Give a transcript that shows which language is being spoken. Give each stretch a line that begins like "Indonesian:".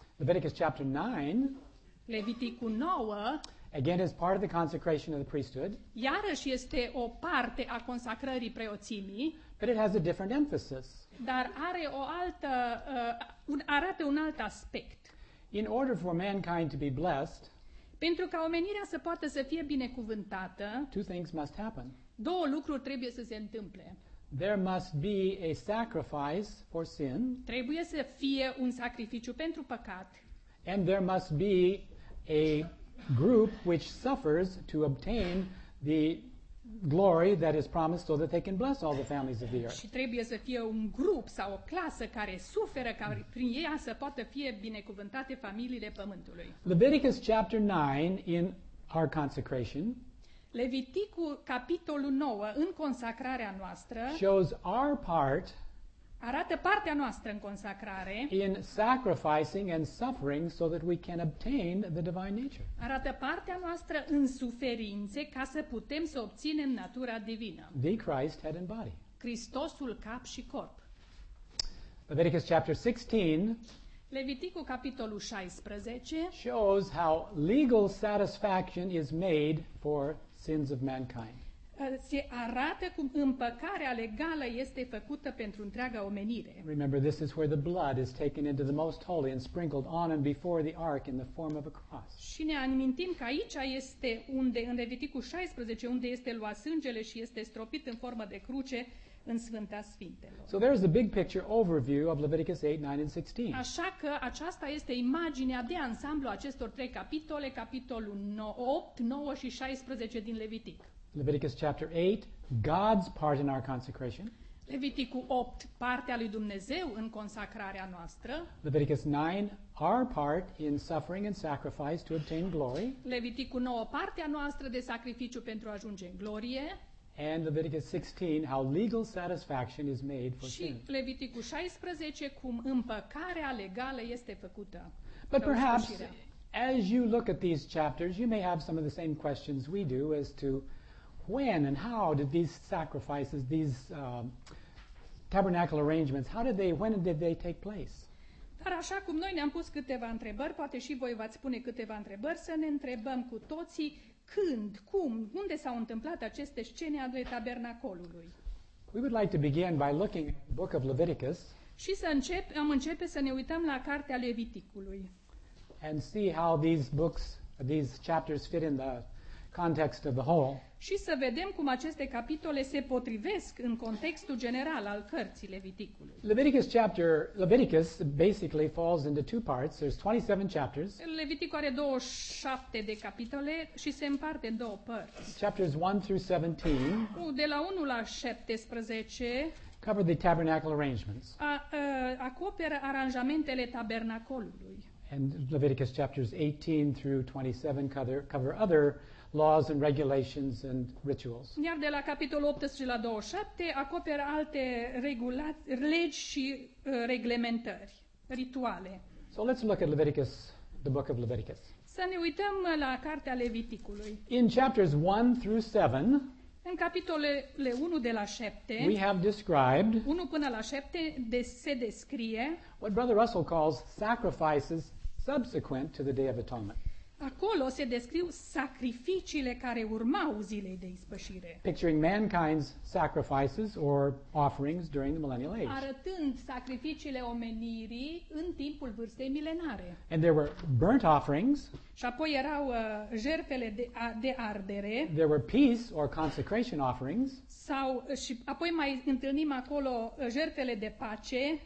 English: Leviticus chapter 9,
Romanian: Leviticul 9,
English: again is part of the consecration of the priesthood.
Romanian: Iarăși este o parte a consacrării preoțimii.
English: But it has a different emphasis.
Romanian: Dar are o altă arată un alt aspect.
English: In order for mankind to be blessed,
Romanian: pentru ca omenirea să poată să fie binecuvântată,
English: two things must happen.
Romanian: Două lucruri trebuie să se întâmple.
English: There must be a sacrifice for sin.
Romanian: Trebuie să fie un sacrificiu pentru păcat.
English: And there must be a group which suffers to obtain the glory that is promised so that they can bless all the families of the earth.
Romanian: Și trebuie să fie un grup sau o clasă care suferă ca prin ea să poată fie binecuvântate familiile pământului.
English: Leviticus chapter 9 in our consecration.
Romanian: Leviticul capitolul 9 în consacrarea noastră
English: shows our part.
Romanian: Arată partea noastră în consacrare.
English: In sacrificing and suffering so that we can obtain the divine nature.
Romanian: Arată partea noastră în suferințe ca să putem să obținem natura divină.
English: The Christ head and body.
Romanian: Hristosul cap și corp.
English: Leviticus chapter 16.
Romanian: Leviticul capitolul 16
English: shows how legal satisfaction is made for sins of mankind.
Romanian: Se arată cum împăcarea legală este făcută pentru întreaga omenire.
English: Remember, this is where the blood is taken into the most holy and sprinkled on and before the ark in the form of a cross.
Romanian: Și ne amintim că aici este unde, în Leviticul 16, unde este luat sângele și este stropit în formă de cruce în Sfânta Sfintelor.
English: So there is a big picture overview of Leviticus 8, 9 and 16.
Romanian: Așa că aceasta este imaginea de ansamblu acestor trei capitole, capitolul 8, 9 și 16 din Levitic.
English: Leviticus chapter 8, God's part in our consecration.
Romanian: Leviticul 8, partea lui Dumnezeu în consacrarea noastră.
English: Leviticus 9, our part in suffering and sacrifice to obtain glory.
Romanian: Leviticul 9, partea noastră de sacrificiu pentru a ajunge în glorie.
English: And Leviticus 16, how legal satisfaction is made for sin.
Romanian: Și Leviticul 16, cum împăcarea legală este făcută.
English: But perhaps, as you look at these chapters, you may have some of the same questions we do as to when and how did these sacrifices, these tabernacle arrangements, when did they take place?
Romanian: Dar așa cum noi ne-am pus câteva întrebări, poate și voi v-ați pune câteva întrebări, să ne întrebăm cu toții când, cum, unde s-au întâmplat aceste scene ale tabernacolului.
English: We would like to begin by looking at the book of Leviticus.
Romanian: Și să începe să ne uităm la cartea Leviticului.
English: And see how these books, these chapters fit in the context of the whole.
Romanian: Și să vedem cum aceste capitole se potrivesc în contextul general al cărții Leviticului.
English: Leviticus basically falls into two parts. There's 27 chapters.
Romanian: Leviticul are 27 de capitole și se împarte în două părți.
English: Chapters 1 through 17.
Romanian: De la 1 la 17.
English: Cover the tabernacle arrangements.
Romanian: Acoperă aranjamentele tabernacolului.
English: And Leviticus chapters 18 through 27 cover other laws and regulations and rituals.
Romanian: Iar de la capitolul 18 la 27 acoperă alte legi și reglementări, rituale.
English: So let's look at Leviticus, the book of Leviticus.
Romanian: Să ne uităm la cartea Leviticului.
English: In chapters 1 through 7,
Romanian: în capitolele 1 de la 7,
English: we have described
Romanian: 1 până la 7 se descrie
English: what Brother Russell calls sacrifices subsequent to the Day of Atonement.
Romanian: Acolo se descriu sacrificiile care urmau zilei de ispășire.
English: Picturing mankind's sacrifices or offerings during the millennial age.
Romanian: Arătând sacrificiile omenirii în timpul vârstei milenare.
English: And there were burnt offerings.
Romanian: Și apoi erau jertfele de ardere.
English: There were peace or consecration offerings.
Romanian: Sau și apoi mai întâlnim acolo jertfele de pace.